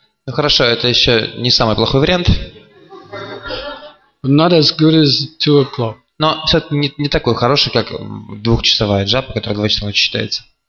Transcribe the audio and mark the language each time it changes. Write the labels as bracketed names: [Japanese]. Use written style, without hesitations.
[Russian] Ну хорошо, это еще не самый плохой вариант. [English] But not as good as 2 o'clock. [Russian] Но все-таки не такой хороший, как двухчасовая джапа, которая 2 часа ночи считается.